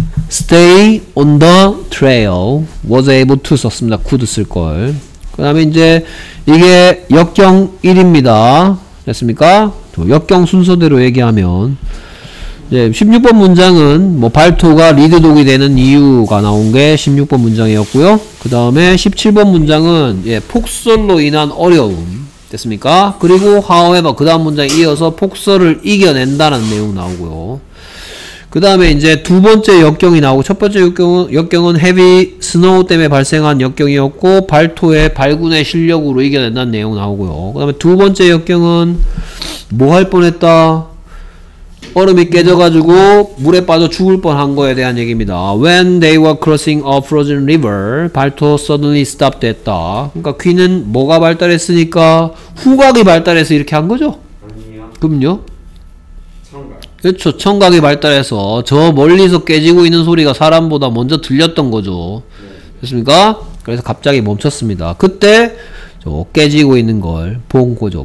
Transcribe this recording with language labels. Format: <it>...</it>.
<en>stay on the trail was able to</en> <ko>썼습니다. could 쓸걸. 그 다음에 이제 이게 역경 1입니다. 됐습니까? 역경 순서대로 얘기하면 네, 16번 문장은 뭐 발토가 리드독이 되는 이유가 나온 게 16번 문장이었고요. 그 다음에 17번 문장은 예, 폭설로 인한 어려움 됐습니까? 그리고 however 그 다음 문장 이어서 폭설을 이겨낸다는 내용 나오고요. 그 다음에 이제 두 번째 역경이 나오고 첫 번째 역경은 heavy snow 때문에 발생한 역경이었고 발토의 발군의 실력으로 이겨낸다는 내용 나오고요. 그 다음에 두 번째 역경은 뭐 할 뻔했다? 얼음이 깨져가지고 물에 빠져 죽을 뻔한 거에 대한 얘기입니다.</ko> <en>When they were crossing a frozen river, 발토 suddenly stopped 됐다.</en> <ko>그러니까 귀는 뭐가 발달했으니까 후각이 발달해서 이렇게 한 거죠? 아니요. 그럼요? 그렇죠. 청각이 발달해서 저 멀리서 깨지고 있는 소리가 사람보다 먼저 들렸던 거죠. 됐습니까? 그래서 갑자기 멈췄습니다. 그때 저 깨지고 있는 걸 본 거죠.</ko>